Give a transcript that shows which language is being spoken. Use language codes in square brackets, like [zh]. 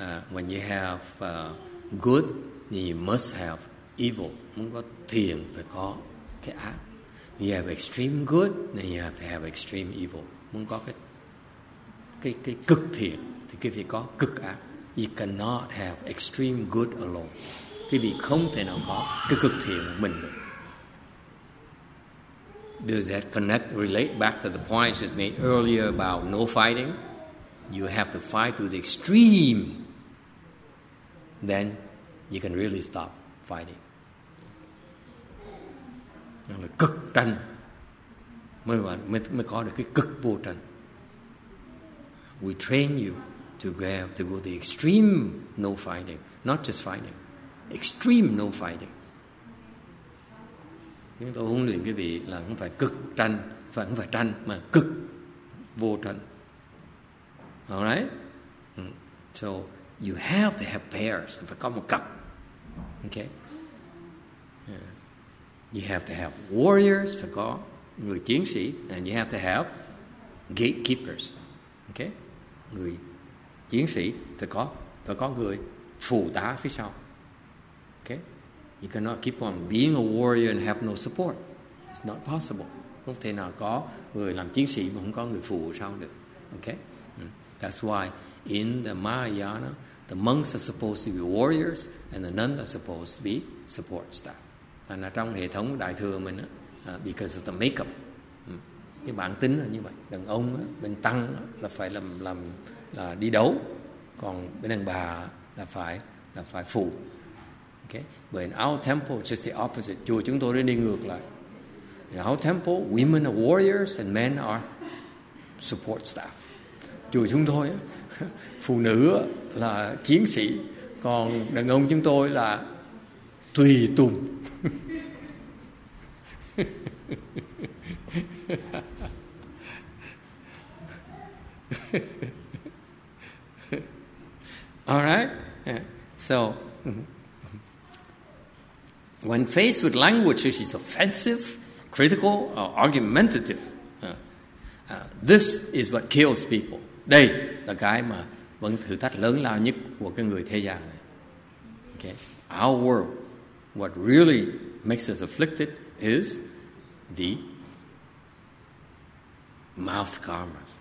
[en] When you have good, then you must have evil. [vi] Muốn có thiện phải có cái ác. [en] You have extreme good, then you have to have extreme evil. [vi] Muốn có cái cực thiện, thì cái việc có cực ác. [en] You cannot have extreme good alone. [vi] Cái việc không thể nào có cái cực thiện một mình được. [en] Does that connect, relate back to the points that made earlier about no fighting? You have to fight to the extreme. Then you can really stop fighting. [vi] Là cực tranh mới có được cái cực vô tranh. [en] We train you to go the extreme no fighting, not just fighting, extreme no fighting. [vi] Chúng tôi huấn luyện quý vị là không phải cực tranh, vẫn phải tranh mà cực vô tranh. [en] All right? So you have to have pairs, [vi] phải có một cặp. [en] Okay? You have to have warriors, [vi] phải có người chiến sĩ, [en] and you have to have gatekeepers, okay? [vi] Người chiến sĩ phải có người phụ tá phía sau, okay? [en] You cannot keep on being a warrior and have no support. It's not possible. [vi] Không thể nào có người làm chiến sĩ mà không có người phụ sau được, okay? [en] That's why in the Mahayana, the monks are supposed to be warriors and the nuns are supposed to be support staff. [vi] Là trong hệ thống đại thừa mình á, [en] because of the makeup, [vi] cái bản tính là như vậy. Đàn ông á, bên tăng á, là phải làm là đi đấu, còn bên đàn bà á, là phải phụ. [en] Okay, but in our temple just the opposite. [vi] Chùa chúng tôi đi ngược lại. [en] In our temple, women are warriors and men are support staff. [vi] Chùa chúng tôi á, phụ nữ á, là chiến sĩ, còn đàn ông chúng tôi là tùy tùng. [en] All right. Yeah. So When faced with language which is offensive, critical, or argumentative, this is what kills people. [vi] Đây là cái mà vẫn thử thách lớn lao nhất của cái người thế gian này. [en] Okay. Our world, what really makes us afflicted is the mouth karma.